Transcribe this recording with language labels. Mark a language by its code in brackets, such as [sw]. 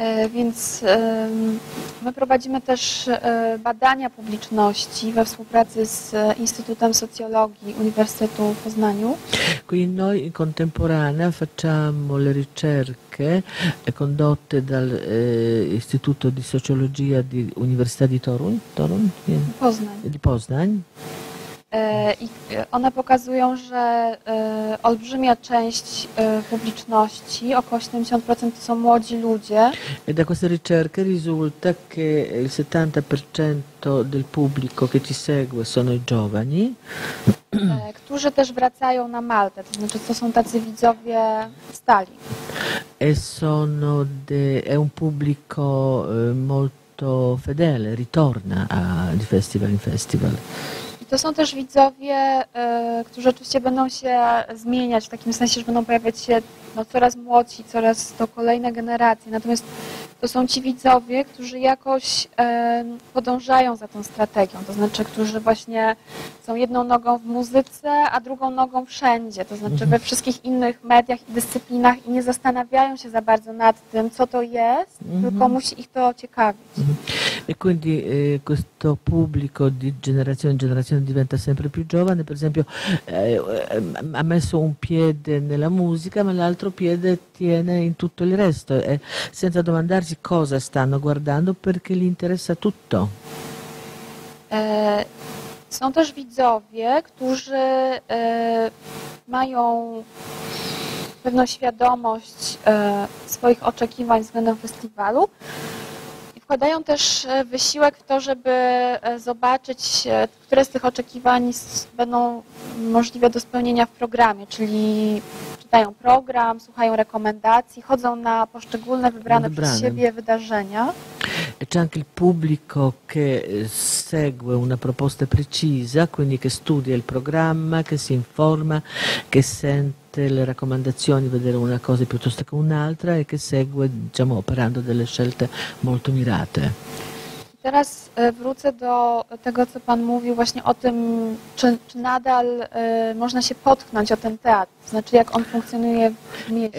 [pl] Więc my prowadzimy też badania publiczności we współpracy z Instytutem Socjologii Uniwersytetu w Poznaniu. [it] Quindi noi in contemporanea facciamo le ricerche condotte dall'Istituto di Sociologia di Università di Poznań. [pl] I one pokazują, że olbrzymia część pubblicità, około 70%, to są młodzi ludzie. [it] E da queste ricerche risulta che il 70% del pubblico che ci segue sono i giovani. [pl] którzy też wracają na Maltę, to znaczy to są tacy widzowie stali. [it] E sono de, è un pubblico molto fedele, ritorna a di festival in festival. [pl] To są też widzowie, którzy oczywiście będą się zmieniać, w takim sensie, że będą pojawiać się no, coraz młodsi, coraz to kolejne generacje. Natomiast to są ci widzowie, którzy jakoś podążają za tą strategią, to znaczy, którzy właśnie są jedną nogą w muzyce, a drugą nogą wszędzie, to znaczy we wszystkich innych mediach i dyscyplinach i nie zastanawiają się za bardzo nad tym, co to jest, tylko musi ich to ciekawić. [it] E quindi questo pubblico di generazione in generazione diventa sempre più giovane, per esempio ha messo un piede nella musica, ma l'altro piede tiene in tutto il resto, senza domandarsi cosa stanno guardando, perché gli interessa tutto. [pl] Są też widzowie, którzy mają pewną świadomość swoich oczekiwań względem festiwalu. Wkładają też wysiłek w to, żeby zobaczyć, które z tych oczekiwań będą możliwe do spełnienia w programie, czyli czytają program, słuchają rekomendacji, chodzą na poszczególne wybrane przez siebie wydarzenia. [it] C'è anche il pubblico che segue una proposta precisa, quindi che studia il programma, che si informa, che sente le raccomandazioni, vedere una cosa piuttosto che un'altra e che segue, diciamo, operando delle scelte molto mirate. [pl] Teraz wrócę do tego, co pan mówił właśnie o tym, czy nadal można się potknąć o ten teatr, znaczy jak on funkcjonuje w mieście.